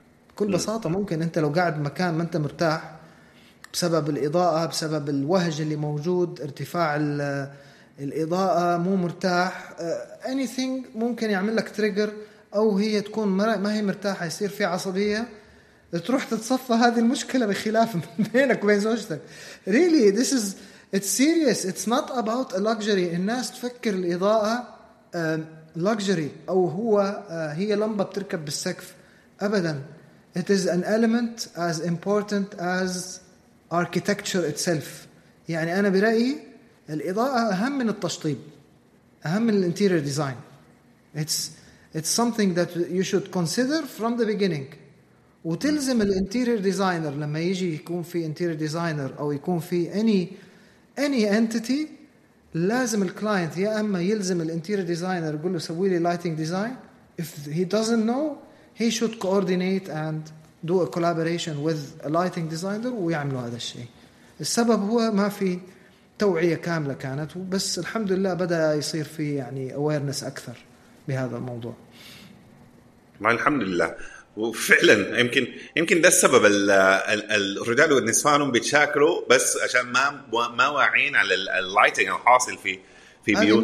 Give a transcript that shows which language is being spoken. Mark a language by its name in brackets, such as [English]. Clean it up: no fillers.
[Arabic] بكل بساطة ممكن أنت لو قاعد مكان ما أنت مرتاح بسبب الإضاءة بسبب الوهج اللي موجود ارتفاع الإضاءة مو مرتاح anything ممكن يعمل لك تريجر أو هي تكون ما هي مرتاحة يصير في عصبية تروح تتصفى هذه المشكلة بخلاف بينك وبين زوجتك. [English] Really this is It's serious. It's not about a luxury. [Arabic] الناس تفكر الإضاءة luxury أو هو هي لمبة بتركب بالسقف. أبداً. [English] It is an element as important as architecture itself. [Arabic] يعني أنا برأيي الإضاءة أهم من التشطيب. أهم من الانتيرير ديزاين. [English] It's something that you should consider from the beginning. [Arabic] وتلزم الانتيرير ديزاينر لما يجي يكون في انتيرير ديزاينر أو يكون في [English] any entity [Arabic] لازم الكلاينت يا اما يلزم الانتيريور ديزاينر يقول له سوي لي لايتنج ديزاين. [English] If he doesn't know he should coordinate and do a collaboration with a lighting designer [Arabic] ويعملوا هذا الشيء. السبب هو ما في توعية كاملة كانت, بس الحمد لله بدأ يصير في يعني awareness اكثر بهذا الموضوع. ما الحمد لله وفعلا يمكن ده السبب الرجال والنسوان بيتشاكلوا بس عشان ما واعين على اللايتنج الحاصل في بيوتهم.